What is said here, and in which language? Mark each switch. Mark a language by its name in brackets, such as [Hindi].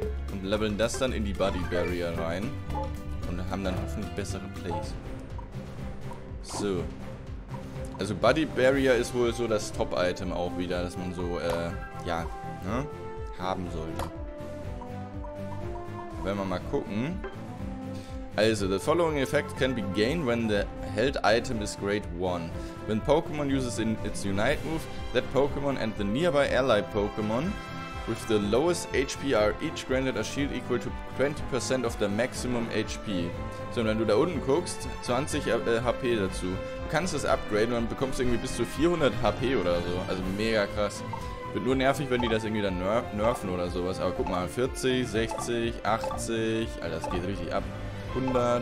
[German] Und leveln das dann in die Buddy Barrier rein. Und haben dann hoffentlich bessere Plays. So. Also Buddy Barrier ist wohl so das Top-Item auch wieder, dass man so, ja, ne, haben sollte. Wenn wir mal gucken. [English] Also, the following effect can be gained when the held item is grade 1. When Pokémon uses in its Unite move, that Pokémon and the nearby ally Pokémon with the lowest HP are each granted a shield equal to 20% of their maximum HP. [German] So, und wenn du da unten guckst, 20 HP dazu. Du kannst es upgraden und bekommst irgendwie bis zu 400 HP oder so. Also mega krass. Wird nur nervig, wenn die das irgendwie dann nerven oder sowas. Aber guck mal, 40, 60, 80. Alter, das geht richtig ab. 100.